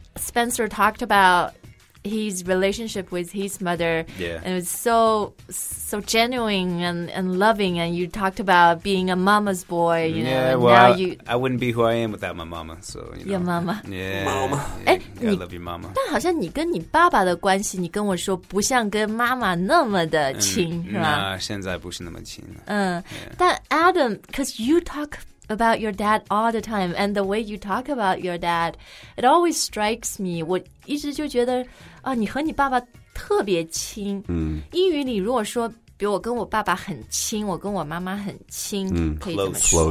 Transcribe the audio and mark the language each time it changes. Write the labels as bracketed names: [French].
[English] Spencer talked about his relationship with his mother. Yeah. And it was so genuine and loving. And you talked about being a mama's boy. You yeah, know, well, now I wouldn't be who I am without my mama. So, you know. Your mama. Yeah. Mama. Yeah, I love your mama. [Chinese] 但好像你跟你爸爸的关系，你跟我说不像跟妈妈那么的亲，是吧？那现在不是那么亲了。 [English] 但 Adam, because you talk about your dad all the time, and the way you talk about your dad, it always strikes me. [Chinese] 我一直就觉得啊，你和你爸爸特别亲。嗯。英语里如果说，比如我跟我爸爸很亲，我跟我妈妈很亲，嗯，可以怎么说